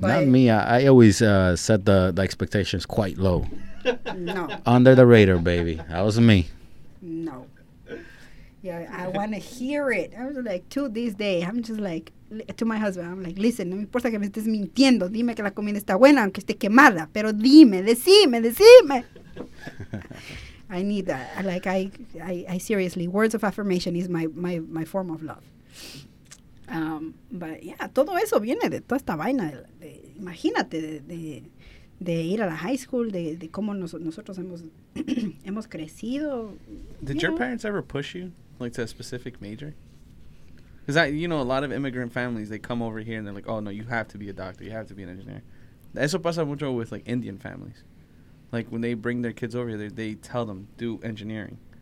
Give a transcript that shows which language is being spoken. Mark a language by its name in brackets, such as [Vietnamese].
[English] Not me. I always set the expectations quite low. No. Under the radar, baby. That was me. No. Yeah, I want to hear it. I was like, to this day, I'm just like, to my husband, I'm like, listen, [Spanish] no me importa que me estés mintiendo. Dime que la comida está buena, aunque esté quemada. Pero dime, decime. [English] I need that. Like, I seriously, words of affirmation is my form of love. But yeah, [Spanish] todo eso viene de toda esta vaina. Imagínate de ir a la high school, de cómo nosotros hemos crecido. [English] Did your parents ever push you, like, to a specific major? Because, you know, a lot of immigrant families, they come over here and they're like, oh, no, you have to be a doctor, you have to be an engineer. [Spanish] Eso pasa mucho [English] with, like, Indian families. Like, when they bring their kids over here, they tell them, do engineering.